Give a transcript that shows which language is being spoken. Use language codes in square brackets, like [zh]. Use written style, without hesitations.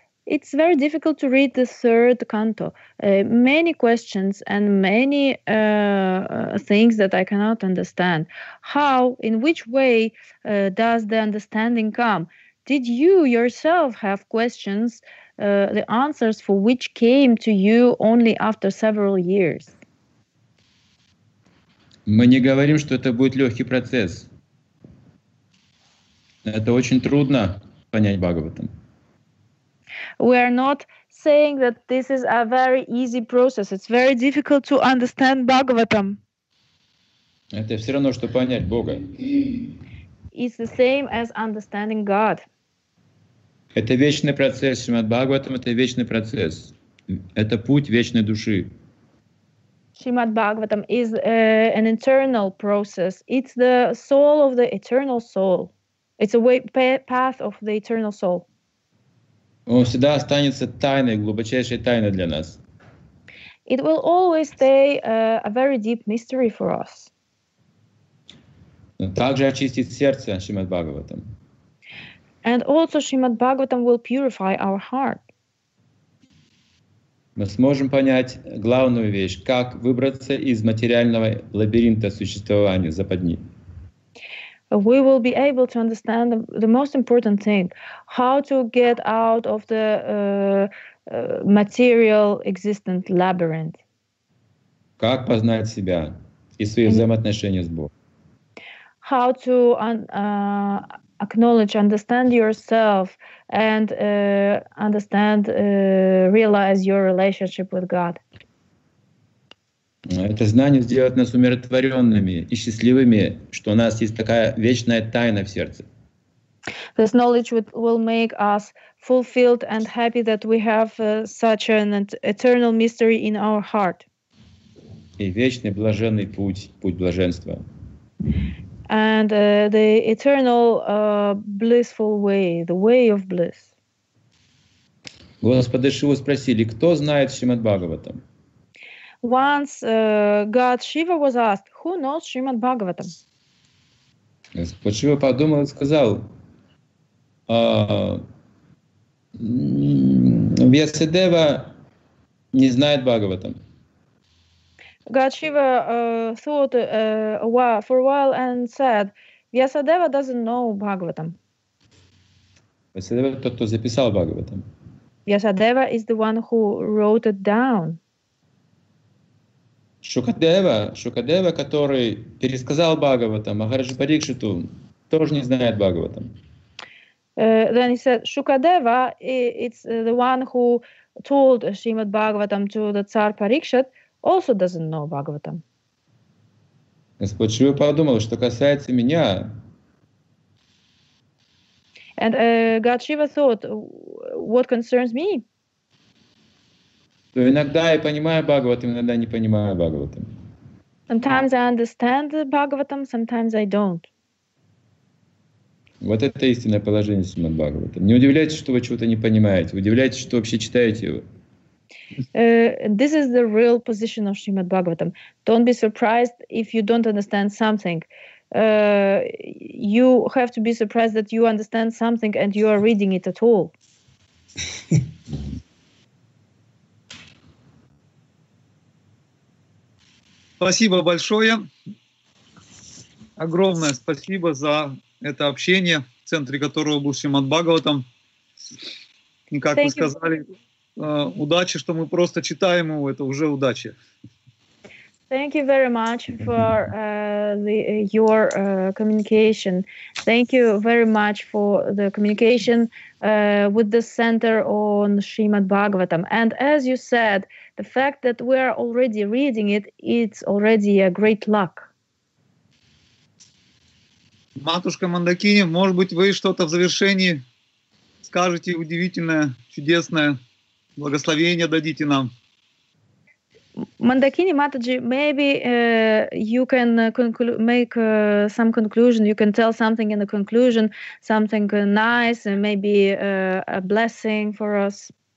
[en] It's very difficult to read the third canto. Many questions and many things that I cannot understand. How, in which way does the understanding come? Did you yourself have questions, the answers for which came to you only after several years? [ru] Мы не говорим, что это будет легкий процесс. Это очень трудно понять Бхагаватам. [en] We are not saying that this is a very easy process. It's very difficult to understand Bhagavatam. [ru] Это все равно, что понять Бога. [en] It's the same as understanding God. [ru] Это вечный процесс, Шримад Бхагаватам, это вечный процесс. Это путь вечной души. [en] Шримад Бхагаватам is an eternal process. It's the soul of the eternal soul. It's a way, path of the eternal soul. [ru] Он всегда останется тайной, глубочайшей тайной для нас. [en] It will always stay a very deep mystery for us. [ru] Но также очистить сердце Шримад Бхагаватам. [en] And also Shrimad Bhagavatam will purify our heart. [ru] Мы сможем понять главную вещь, как выбраться из материального лабиринта существования западни. [en] We will be able to understand the most important thing, how to get out of the material existent labyrinth. [ru] Как познать себя и свои взаимоотношения с Богом? [en] How to acknowledge, understand yourself and understand, realize your relationship with God. [ru] Это знание сделает нас умиротворенными и счастливыми, что у нас есть такая вечная тайна в сердце. [en] This knowledge will make us fulfilled and happy that we have such an eternal mystery in our heart. [ru] И вечный блаженный путь, путь блаженства. [en] And the eternal blissful way, the way of bliss. [ru] Господи Шиву спросили, кто знает Шримад Бхагаватам? [en] Once God Shiva was asked, who knows Shrimad Bhagavatam? [ru] Господь Шива подумал и сказал, Вьясадева не знает Бхагаватам. [en] God Shiva thought for a while and said, Vyasadeva doesn't know Bhagavatam. [ru] Vyasadeva тот, кто записал Бхагаватам. [en] Vyasadeva is the one who wrote it down. [ru] Шукадева, который пересказал Бхагаватам, Махараджа Парикшиту, тоже не знает Бхагаватам. [en] Then he said, Шукадева, it's the one who told Shrimad Bhagavatam to the Tsar Parikshit, also doesn't know Bhagavatam. [ru] Господь Шива подумал, что касается меня. [en] And God Shiva thought, what concerns me? [ru] То иногда я понимаю Бхагаватам, иногда не понимаю Бхагаватам. [en] Sometimes I understand Bhagavatam, sometimes I don't. [ru] Вот это истинное положение Шримад Бхагаватам. Не удивляйтесь, что вы чего-то не понимаете. Удивляйтесь, что вообще читаете его. [en] This is the real position of Shrimad Bhagavatam. Don't be surprised if you don't understand something. You have to be surprised that you understand something and you are reading it at all. [ru] Спасибо большое. Огромное спасибо за это общение, в центре которого был Шримад Бхагаватам. И как вы сказали, удача, что мы просто читаем его, это уже удача. [en] Thank you very much for your communication. Thank you very much for the communication with the center on Shrimad Bhagavatam. And as you said, the fact that we are already reading it, it's already a great luck. [ru] Матушка Мандакини, может быть, вы что-то в завершении скажете удивительное, чудесное, благословение дадите нам. [en] Mandakini Mataji, maybe you can make some conclusion. You can tell something in the conclusion, something nice, and maybe a blessing for us.